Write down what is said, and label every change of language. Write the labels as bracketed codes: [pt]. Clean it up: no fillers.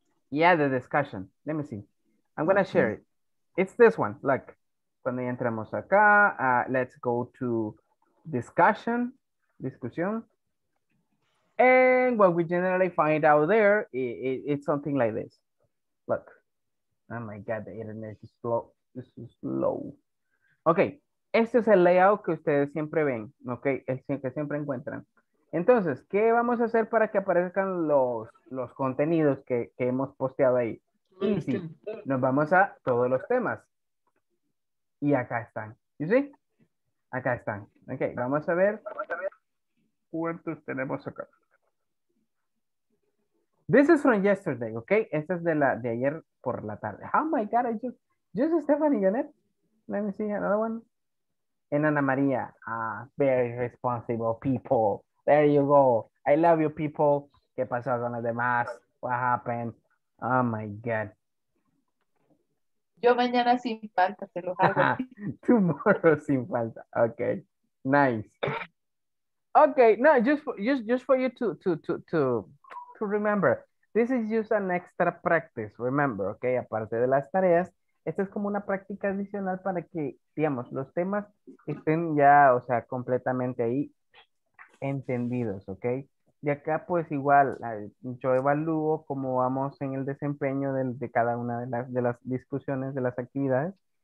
[en] Yeah, the discussion. Let me see. I'm going to share it. It's this one, like, [es] cuando entramos acá, [en] let's go to discussion. And what we generally find out there, it's something like this. Look, oh my God, the internet is slow. This is slow. [es] Okay, este es el layout que ustedes siempre ven, okay, el que siempre encuentran. Entonces, ¿qué vamos a hacer para que aparezcan los contenidos que hemos posteado ahí? Easy. Nos vamos a todos los temas. Y acá están. [en] You see? [es] Acá están. Ok, vamos a ver cuántos tenemos acá. [en] This is from yesterday, ok? [es] Esta es de ayer por la tarde. [en] Oh my God, just Stephanie, Janet. Let me see another one. En Ana María. Very responsible people. There you go. I love you people. [es] ¿Qué pasó con los demás? [en] What happened? Oh my God. [es] Yo mañana sin falta, se los hago. [en] Tomorrow [es] sin falta. [en] Okay. Nice. Okay, no, just for you to remember. This is just an extra practice, remember, okay? [es] Aparte de las tareas, esta es como una práctica adicional para que, digamos, los temas estén ya, o sea, completamente ahí entendidos, okay? Y acá, pues, igual, yo evalúo cómo vamos en el desempeño de cada una de las discusiones, de las actividades.